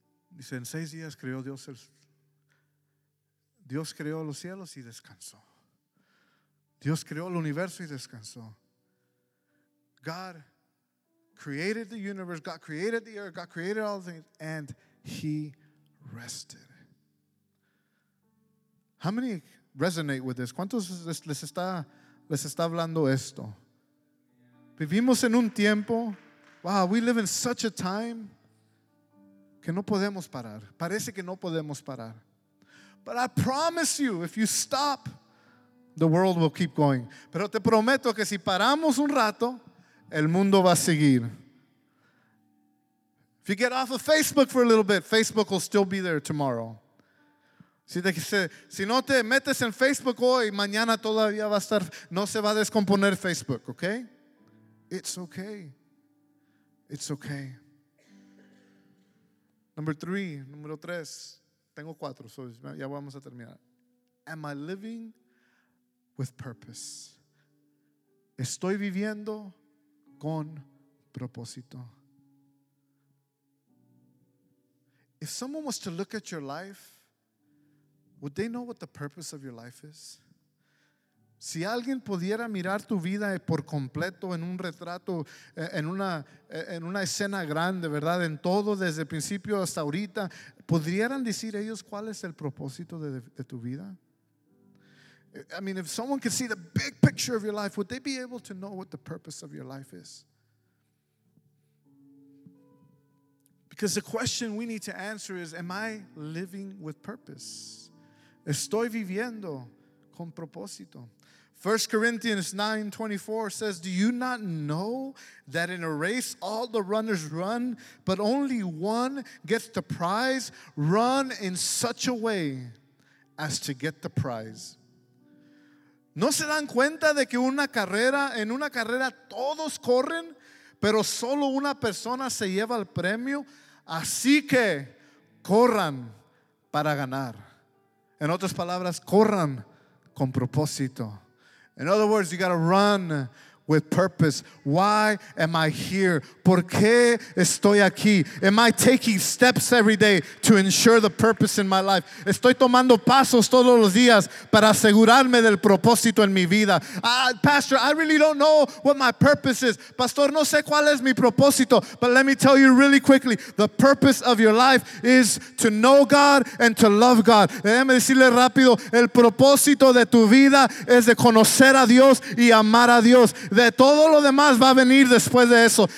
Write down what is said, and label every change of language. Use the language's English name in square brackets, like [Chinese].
[Spanish] Dice, en seis días creó Dios el, Dios creó los cielos y descansó. Dios creó el universo y descansó. [English] God created the universe, God created the earth, God created all things, and he rested. How many resonate with this? [Spanish] ¿Cuántos les está hablando esto? Vivimos en un tiempo, wow, [English] we live in such a time [Spanish] que no podemos parar. Parece que no podemos parar. [English] But I promise you, if you stop, the world will keep going. [Spanish] Pero te prometo que si paramos un rato, el mundo va a seguir. [English] If you get off of Facebook for a little bit, Facebook will still be there tomorrow. [Spanish] Si no te metes en Facebook hoy, mañana todavía va a estar, no se va a descomponer Facebook, okay? [English] It's okay. It's okay. [Spanish] Número tres. Tengo cuatro, [English] so [Spanish] ya vamos a terminar. [English] Am I living with purpose? [Spanish] Estoy viviendo con propósito. [English] If someone was to look at your life, would they know what the purpose of your life is? [Spanish] Si alguien pudiera mirar tu vida por completo en un retrato, en una escena grande, ¿verdad? En todo, desde el principio hasta ahorita, ¿podrían decir ellos cuál es el propósito de tu vida? [English] I mean, if someone could see the big picture of your life, would they be able to know what the purpose of your life is? Because the question we need to answer is, am I living with purpose? [Spanish] ¿Estoy viviendo con propósito? [English] 1 Corinthians 9:24 says, do you not know that in a race all the runners run, but only one gets the prize? Run in such a way as to get the prize. [Spanish] ¿No se dan cuenta de que en una carrera todos corren, pero solo una persona se lleva el premio? Así que corran para ganar. En otras palabras, corran con propósito. [English] In other words, you got to run with purpose. Why am I here? [Spanish] ¿Por qué estoy aquí? [English] Am I taking steps every day to ensure the purpose in my life? [Spanish] ¿Estoy tomando pasos todos los días para asegurarme del propósito en mi vida? [English] Pastor, I really don't know what my purpose is. [Spanish] Pastor, no sé cuál es mi propósito. [English] But let me tell you really quickly. The purpose of your life is to know God and to love God. [Spanish] Déjame decirle rápido. El propósito de tu vida es de conocer a Dios y amar a Dios. De todo lo demás va a venir después de eso.